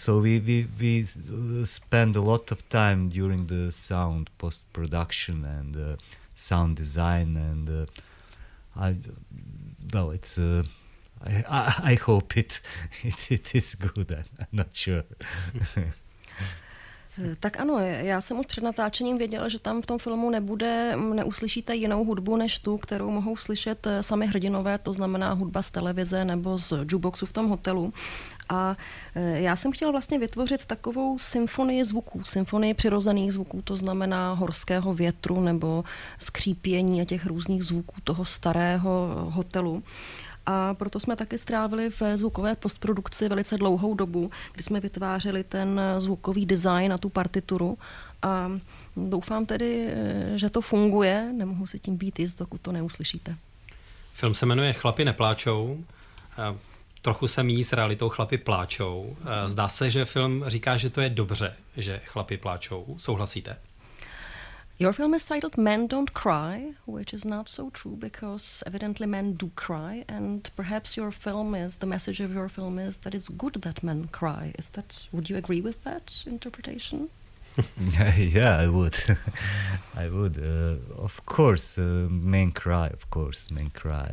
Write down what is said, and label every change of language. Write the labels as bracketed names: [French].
[English] So we spend a lot of time during the sound post-production and sound design, and I hope it is good. I'm not sure. [Czech] Tak ano, já jsem už před natáčením věděla, že tam v tom filmu nebude, neuslyšíte jinou hudbu než tu, kterou mohou slyšet sami hrdinové, to znamená hudba z televize nebo z jukeboxu v tom hotelu. A já jsem chtěla vlastně vytvořit takovou symfonii zvuků, symfonii přirozených zvuků, to znamená horského větru nebo skřípění a těch různých zvuků toho starého hotelu. A proto jsme taky strávili ve zvukové postprodukci velice dlouhou dobu, kdy jsme vytvářeli ten zvukový design a tu partituru. A doufám tedy, že to funguje. Nemohu se tím být jist, dokud to neuslyšíte. Film se jmenuje Chlapi nepláčou. Trochu se míjí s realitou, Chlapi pláčou. Zdá se, že film říká, že to je dobře, že chlapi pláčou. Souhlasíte? [English] Your film is titled Men Don't Cry, which is not so true because evidently men do cry, and perhaps your film is, the message of your film is that it's good that men cry. Would you agree with that interpretation? Yeah, I would. I would. Of course, Man Cry, of course, Man Cry.